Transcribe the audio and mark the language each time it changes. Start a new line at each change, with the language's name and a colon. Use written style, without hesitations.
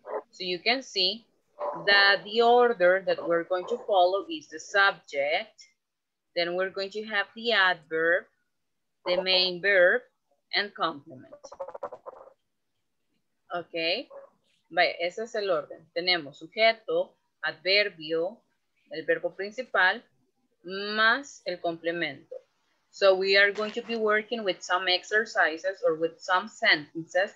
English: So you can see that the order that we're going to follow is the subject. Then we're going to have the adverb, the main verb, and complement.
Spanish: ¿Ok? Vaya, ese es el orden. Tenemos sujeto, adverbio, el verbo principal, más el complemento.
English: So we are going to be working with some exercises or with some sentences.